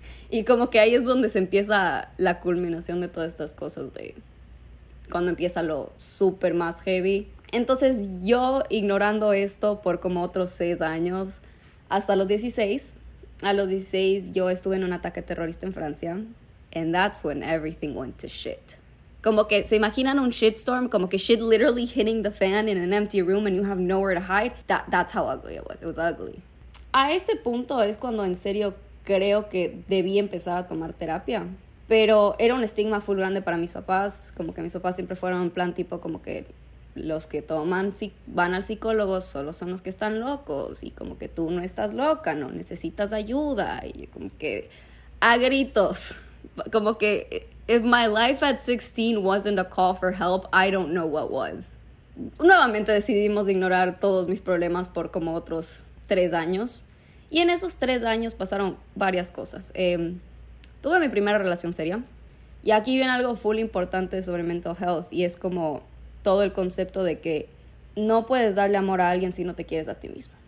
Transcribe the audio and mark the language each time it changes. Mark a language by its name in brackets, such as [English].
[Spanish] Y como que ahí es donde se empieza la culminación de todas estas cosas, de cuando empieza lo súper más heavy. Entonces yo, ignorando esto por como otros 6 años, hasta los 16, yo estuve en un ataque terrorista en Francia. [English] And that's when everything went to shit. [Spanish] Como que, ¿se imaginan un shitstorm? Como que [English] shit literally hitting the fan in an empty room and you have nowhere to hide. That's how ugly it was ugly. [Spanish] A este punto es cuando en serio creo que debí empezar a tomar terapia, pero era un estigma full grande para mis papás. Como que mis papás siempre fueron un plan tipo como que los que toman, si van al psicólogo, solo son los que están locos, y como que tú no estás loca, no necesitas ayuda, y como que a gritos, como que [English] If my life at 16 wasn't a call for help, I don't know what was. [Spanish] Nuevamente decidimos ignorar todos mis problemas por como otros 3 años. Y en esos 3 años pasaron varias cosas. Tuve mi primera relación seria. Y aquí viene algo full importante sobre [English] mental health. [Spanish] Y es como todo el concepto de que no puedes darle amor a alguien si no te quieres a ti mismo.